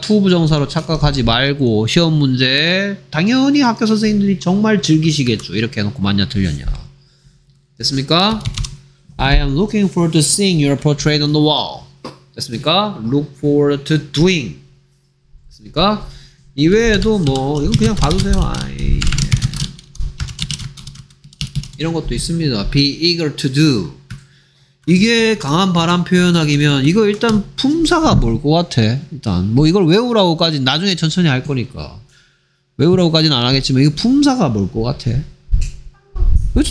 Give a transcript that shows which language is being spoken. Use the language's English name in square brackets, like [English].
[Korean] to 부정사로 착각하지 말고 시험 문제 당연히 학교 선생님들이 정말 즐기시겠죠. 이렇게 해놓고 맞냐 틀렸냐. 됐습니까? [English] I am looking forward to seeing your portrait on the wall. [Korean] 됐습니까? [English] look forward to doing. 됐습니까? [Korean] 이외에도 뭐 이거 그냥 봐도 돼요. 아이. 이런 것도 있습니다. [English] Be eager to do. [Korean] 이게 강한 바람 표현하기면 이거 일단 품사가 뭘 것 같아. 일단 뭐 이걸 외우라고까지 나중에 천천히 할 거니까 외우라고까지는 안 하겠지만 이거 품사가 뭘 것 같아. 그렇죠.